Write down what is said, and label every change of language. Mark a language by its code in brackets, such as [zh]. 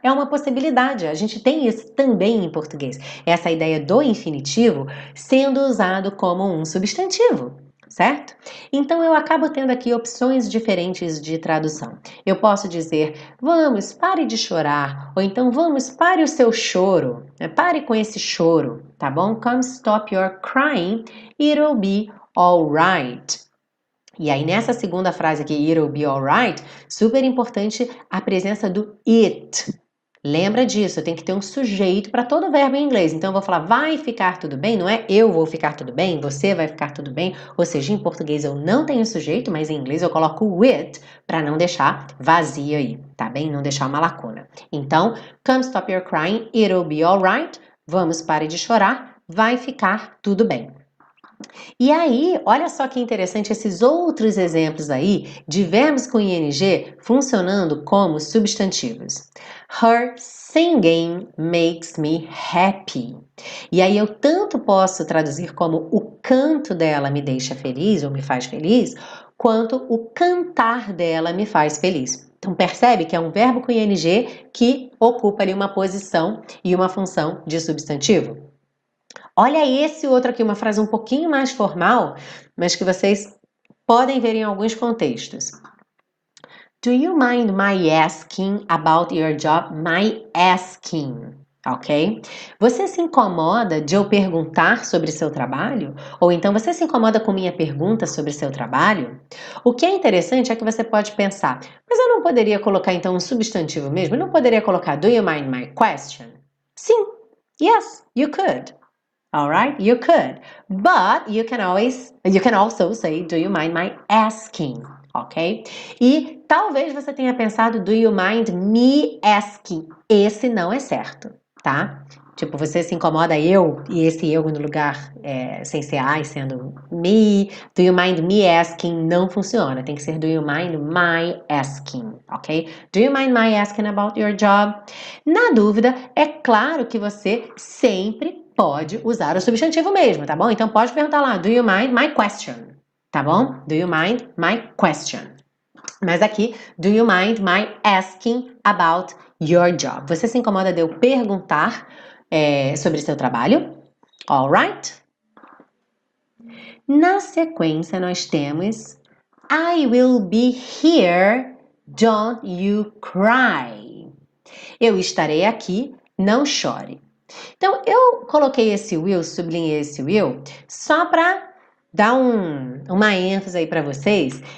[pt] É uma possibilidade. A gente tem isso também em português. Essa ideia do infinitivo sendo usado como um substantivo, certo? Então eu acabo tendo aqui opções diferentes de tradução. Eu posso dizer: vamos, pare de chorar. Ou então: vamos, pare o seu choro. Pare com esse choro, tá bom? [en] Come stop your crying, it'll be alright. [pt] E aí, nessa segunda frase aqui, [en] it'll be alright, [pt] super importante a presença do it, Lembra disso, tem que ter um sujeito para todo verbo em inglês. Então eu vou falar vai ficar tudo bem, não é eu vou ficar tudo bem, você vai ficar tudo bem. Ou seja, em português eu não tenho sujeito, mas em inglês eu coloco o it para não deixar vazio aí, tá bem? Não deixar uma lacuna. [en] Então, come stop your crying, it'll be alright. [pt] Vamos, pare de chorar, vai ficar tudo bem. E aí, olha só que interessante esses outros exemplos aí de verbos com ing funcionando como substantivos. [en] Her singing makes me happy. [pt] E aí eu tanto posso traduzir como o canto dela me deixa feliz ou me faz feliz, quanto o cantar dela me faz feliz. Então percebe que é um verbo com ing que ocupa ali uma posição e uma função de substantivo. Olha esse outro aqui, uma frase um pouquinho mais formal, mas que vocês podem ver em alguns contextos. [en] Do you mind my asking about your job? My asking, ok? [pt] Você se incomoda de eu perguntar sobre seu trabalho? Ou então você se incomoda com minha pergunta sobre seu trabalho? O que é interessante é que você pode pensar, mas eu não poderia colocar então um substantivo mesmo? Eu não poderia colocar [en] do you mind my question? Sim, yes, you could. All right, you could, but you can also say, do you mind my asking, ok? [pt] E talvez você tenha pensado, [en] do you mind me asking? [pt] Esse não é certo, tá? Tipo, você se incomoda eu e esse eu no lugar sem ser I, sendo me. [en] Do you mind me asking? [pt] Não funciona. Tem que ser [en] do you mind my asking, ok? Do you mind my asking about your job? [pt] Na dúvida, é claro que você sempre pode usar o substantivo mesmo, tá bom? Então pode perguntar lá, [en] do you mind my question? [pt] Tá bom? [en] Do you mind my question? [pt] Mas aqui, [en] do you mind my asking about your job? [pt] Você se incomoda de eu perguntar sobre seu trabalho? [en] All right? [pt] Na sequência, nós temos [en] I will be here, don't you cry. [pt] Eu estarei aqui, não chore. Então, eu coloquei esse will, sublinhei esse will, só para dar uma ênfase aí para vocês.